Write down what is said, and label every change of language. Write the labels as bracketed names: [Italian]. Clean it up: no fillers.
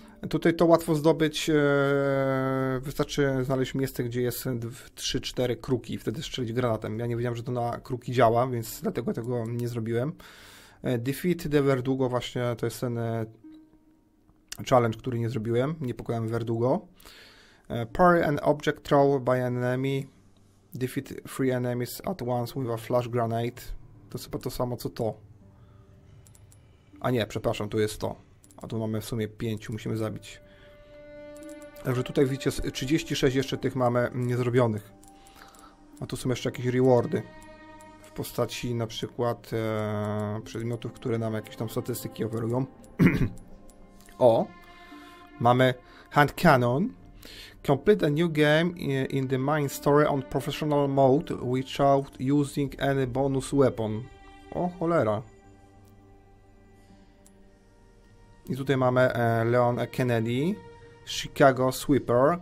[Polish] Tutaj to łatwo zdobyć. Wystarczy znaleźć miejsce, gdzie jest 3-4 kruki, i wtedy strzelić granatem. Ja nie wiedziałem, że to na kruki działa, więc dlatego tego nie zrobiłem. [English] Defeat the Verdugo, [Polish] właśnie to jest ten challenge, który nie zrobiłem. Nie pokonałem Verdugo. [English] Parry an object thrown by an enemy. Defeat three enemies at once with a flash grenade. [Polish] To jest chyba to samo co to. A nie, przepraszam, tu jest to. A tu mamy w sumie 5, musimy zabić. Także tutaj widzicie, 36 jeszcze tych mamy niezrobionych. A tu są jeszcze jakieś rewardy. W postaci na przykład przedmiotów, które nam jakieś tam statystyki oferują. O! Mamy hand cannon. [English] Complete a new game in the main story on professional mode without using any bonus weapon. [Polish] O cholera. I tutaj mamy Leon Kennedy, Chicago Sweeper.